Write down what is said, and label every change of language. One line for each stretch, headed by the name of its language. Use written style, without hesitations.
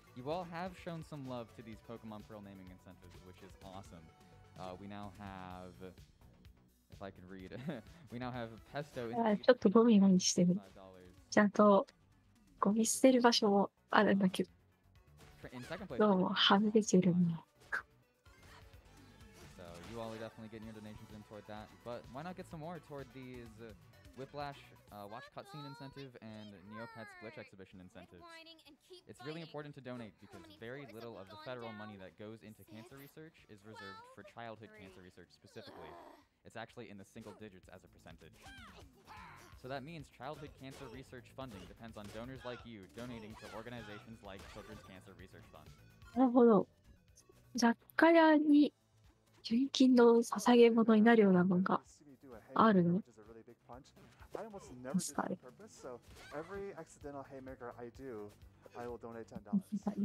English: You all have shown some love to these Pokemon Pearl naming incentives, which is awesome. We now have, if I can read, we now have Pesto.
Japanese: ちょっとゴミゴミしてる。ちゃんとゴミ捨てる場所もあるんだけど。どうも、はみ出てるんだ。
English: So, you all are definitely getting your donations in toward that. But why not get some more toward these... Whiplash, watch cutscene incentive, and Neopets glitch exhibition incentives. It's really important to donate because very little of the federal money that goes into cancer research is reserved for childhood cancer research specifically. It's actually in the single digits as a percentage. So that means childhood cancer research funding depends on donors like you donating to organizations like Children's Cancer Research Fund.
Japanese: なるほど。雑貨屋に純金の捧げ物になるようなものがあるの？
English: I almost never do it on purpose, so every accidental haymaker I do, I will donate $10.